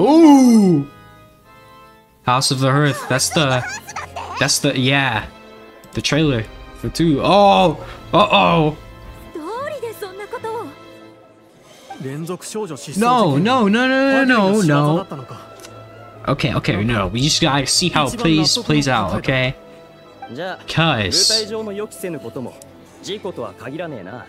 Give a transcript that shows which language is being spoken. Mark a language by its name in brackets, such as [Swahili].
[Japanese] おお、ハウス・オブ・ハース。 [English] That's the、that's the、yeah、the trailer for two。 Oh、uh-oh。 [Japanese] どうりでそんなことを。連続少女失踪。 [English] No、no、no、no、no、no、no。 Okay、okay、no、we just gotta see how plays out、okay。 [Japanese] じゃあ、舞台上の予期せぬことも事故とは限らねえな。